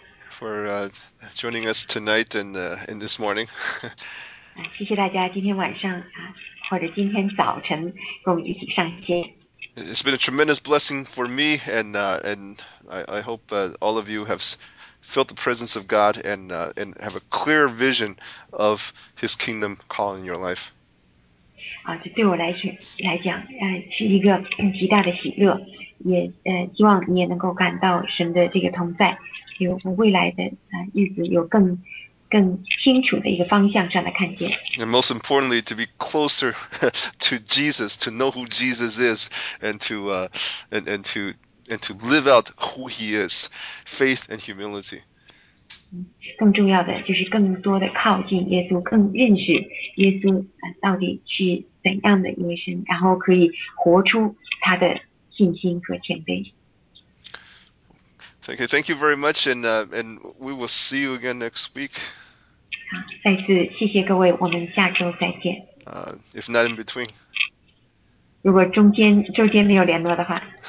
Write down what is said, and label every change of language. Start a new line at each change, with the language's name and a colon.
English: For joining us tonight and in this morning.
Chinese: 谢谢大家今天晚上啊，或者今天早晨跟我们一起上线。
English: It's been a tremendous blessing for me, and I hope all of you have felt the presence of God and have a clear vision of His kingdom call in your life.
Chinese: 啊，这对我来讲，是一个极大的喜乐，也希望你也能够感到神的这个同在，有我未来的日子有更清楚的一个方向上的看见。
English: And most importantly, to be closer to Jesus, to know who Jesus is, and to live out who He is, faith and humility.
Chinese: 更重要的就是更多的靠近耶稣，更认识耶稣到底是怎样的一位神，然后可以活出他的信心和谦卑。
English: Okay, thank you very much, and we will see you again next week.
Chinese: 好，再次谢谢各位，我们下周再见。
English: If not in between.
Chinese: 如果周间没有联络的话。